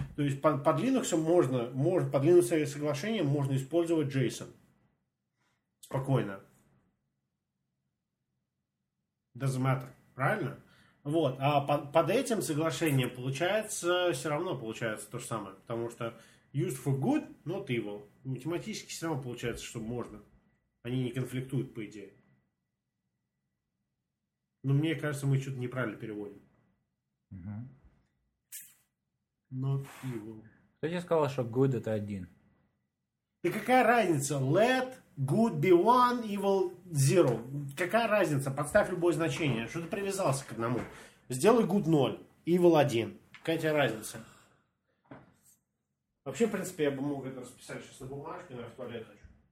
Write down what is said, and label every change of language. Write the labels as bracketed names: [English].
[Russian] То есть под Linux можно под Linux соглашение можно использовать JSON. Спокойно. [English] Doesn't matter. [Russian] Правильно? Вот. А под этим соглашением получается, все равно получается то же самое. Потому что [English] used for good, not evil. [Russian] Математически все равно получается, что можно. Они не конфликтуют, по идее. Но мне кажется, мы что-то неправильно переводим. [English] Not evil. [Russian] Кто тебе сказал, что good это один? Да какая разница? [English] Let... Good be one, evil zero. [Russian] Какая разница? Подставь любое значение. Что ты привязался к одному? Сделай good 0, evil 1. Какая тебе разница? Вообще, в принципе, я бы мог это расписать сейчас на бумажке, но я в туалет хочу.